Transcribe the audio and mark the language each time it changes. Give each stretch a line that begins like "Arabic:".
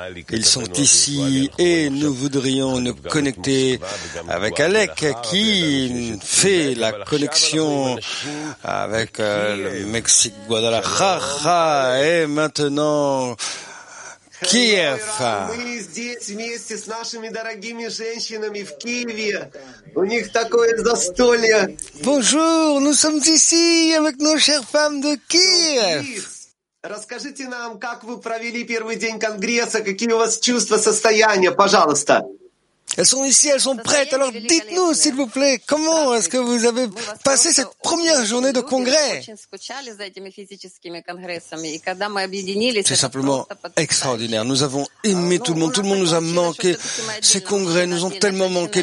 French: Ils sont ici et nous voudrions nous connecter avec Alec, qui fait la connexion avec le Mexique, Guadalajara, et maintenant Киев.
Russian: Мы здесь вместе с нашими дорогими женщинами в Киеве. У них такое застолье.
French: Bonjour, nous sommes ici avec nos chères femmes de Kiev.
Russian: Расскажите нам, как вы провели первый день конгресса, какие у вас чувства, состояния, пожалуйста.
French: Elles sont ici, elles sont prêtes. Alors dites-nous, s'il vous plaît, comment est-ce que vous avez passé cette première journée de congrès? C'est simplement extraordinaire. Nous avons aimé tout le monde. Tout le monde nous a manqué. Ces congrès nous ont tellement manqué.